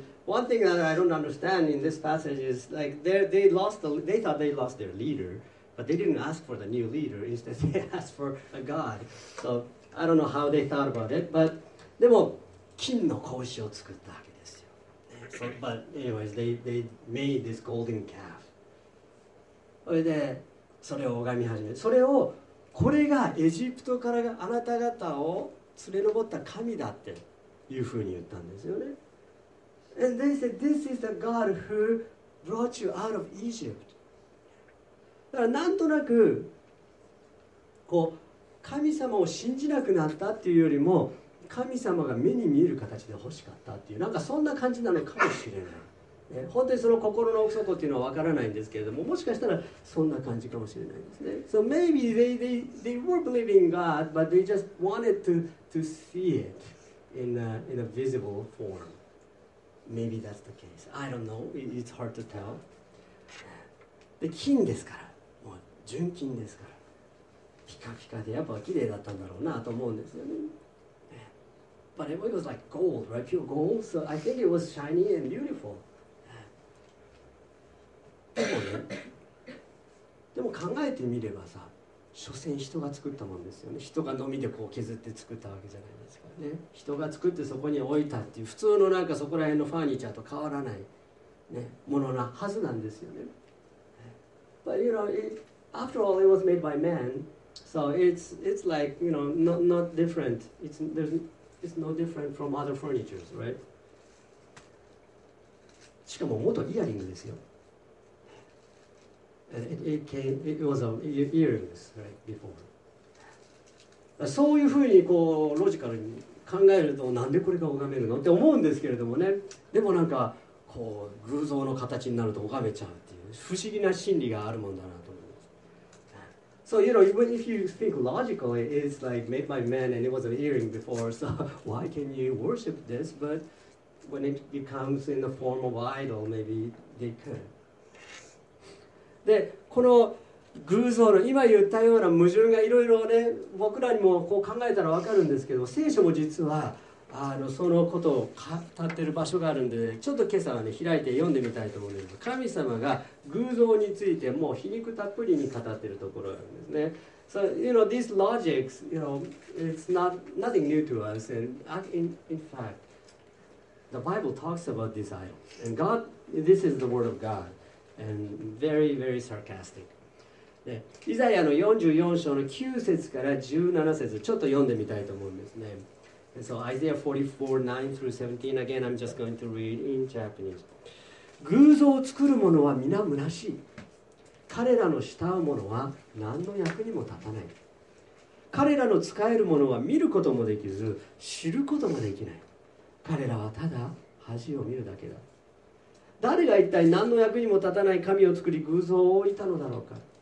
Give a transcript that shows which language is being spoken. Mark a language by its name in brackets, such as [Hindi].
[English] AndOne thing that I don't understand in this passage is like they thought they lost their leader, but they didn't ask for the new leader. Instead, they asked for a god. So I don't know how they thought about it. [Japanese] But でも金の格子を作ったわけですよ。 [English] So, but anyways, they made this golden calf. [Japanese] それでそれを拝み始める。それをこれがエジプトからあなた方を連れ上った神だっていうふうに言ったんですよね。 [English] And they said, this is the God who brought you out of Egypt. [Japanese] だからなんとなくこう神様を信じなくなったっていうよりも神様が目に見える形で欲しかったっていうなんかそんな感じなのかもしれない、ね、本当にその心の奥底っていうのは分からないんですけれどももしかしたらそんな感じかもしれないですね。 [English] So maybe they were believing God, but they just wanted to see it in a visible form. Maybe that's the case. I don't know. It's hard to tell. [Japanese] で金ですから、もう純金ですから、ピカピカでやっぱ綺麗だったんだろうなと思うんですよね。 [English] But it was like gold, right? Pure gold. So I think it was shiny and beautiful. [Japanese] でもね、でも考えてみればさ、所詮人が作ったもんですよね。人がのみでこう削って作ったわけじゃないですかね。人が作ってそこに置いたっていう普通のなんかそこら辺のファーニチャーと変わらない、ね、ものなはずなんですよね。 [English] But you know, after all, it was made by man, so it's like you know, not different. It's no different from other furnitures, right? [Japanese] しかも元イヤリングですよ。 [English] It was an earring, right, before. [Japanese] そういうふうにこうロジカルに考えるとなんでこれが拝めるのって思うんですけれどもね。でもなんかこう偶像の形になると拝めちゃうっていう不思議な心理があるもんだなと思います。 [English] So you know, even if you think logically, it's like made by man and it was an earring before. So why can you worship this? But when it becomes in the form of idol, maybe they could. [Japanese] で、この偶像の今言ったような矛盾がいろいろね、僕らにもこう考えたら分かるんですけど、聖書も実はそのことを語っている場所があるんで、ね、ちょっと今朝はね開いて読んでみたいと思うんです。神様が偶像についてもう皮肉たっぷりに語っているところなんですね。 [English] So, you know, these logics, you know, it's not, nothing new to us. And in fact, the Bible talks about these idols. And God, this is the word of God. And very, very sarcastic. [Japanese] で、イザヤの44章の9節から17節、ちょっと読んでみたいと思うんですね。 [English] And so Isaiah 44, 9 through 17, again, I'm just going to read in Japanese. [Japanese] 偶像を作る者は皆虚しい。彼らの慕う者は何の役にも立たない。彼らの仕える者は見ることもできず、知ることもできない。彼らはただ恥を見るだけだ。誰が一体何の役にも立たない神を作り偶像を置いたのだろうか。